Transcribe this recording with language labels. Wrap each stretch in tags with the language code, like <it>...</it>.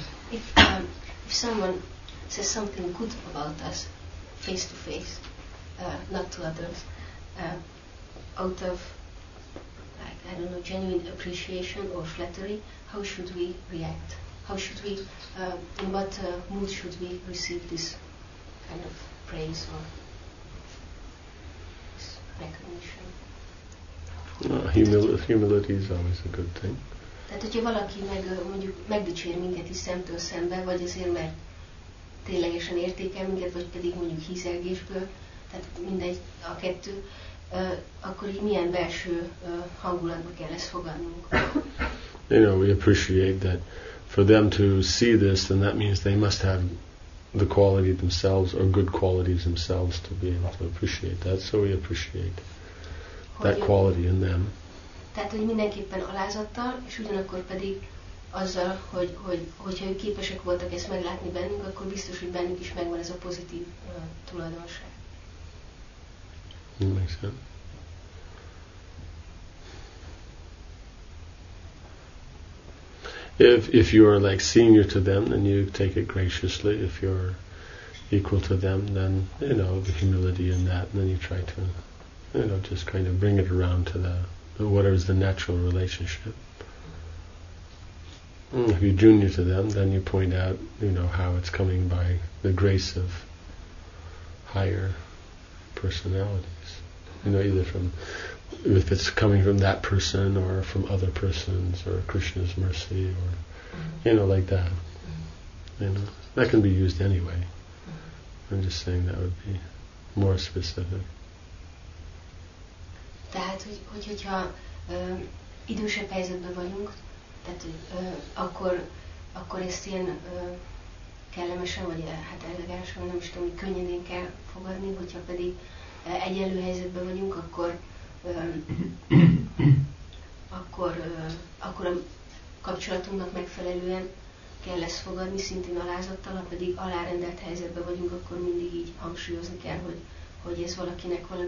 <en>if someone says something good about us, face to face, not to others, out of, like, I don't know, genuine appreciation or flattery, how should we react? How should we, in what mood should we receive this kind of praise or this recognition? Humility is always a good thing.</en> <hu>Tehát, hogyha valaki meg, mondjuk megdicsér minket is szemtől szembe, vagy azért, mert ténylegesen értékel minket, vagy pedig mondjuk hízelgésből, tehát mindegy, a kettő, akkor így milyen belső hangulatba kell ezt fogadnunk?</hu> <en>You know, we appreciate that for them to see this, then that means they must have the quality themselves, or good qualities themselves to be able to appreciate that, so we appreciate that quality in them.</en> <hu>Tehát, hogy mindenképpen alázattal, és ugyanakkor pedig azzal, hogyha ők képesek voltak ezt meglátni bennünk, akkor biztos, hogy bennünk is megvan ez a pozitív tulajdonság. Megszerint.</hu> <en>If you're like senior to them, then you take it graciously. If you're equal to them, then, you know, the humility in that, and then you try to, you know, just kind of bring it around to the whatever is the natural relationship. If you're junior to them, then you point out, you know, how it's coming by the grace of higher personalities. You know, either from, if it's coming from that person or from other persons or Krishna's mercy or, you know, like that. You know, that can be used anyway. I'm just saying that would be more specific.</en> <hu>Tehát, hogyha idősebb helyzetben vagyunk, tehát akkor ezt ilyen kellemesen, vagy hát elegánsan, nem is tudom, hogy könnyedén kell fogadni, hogyha pedig egyenlő helyzetben vagyunk, akkor a kapcsolatunknak megfelelően kell lesz fogadni szintén alázattal, ha pedig alárendelt helyzetben vagyunk, akkor mindig így hangsúlyozni kell, hogy ez valakinek</hu>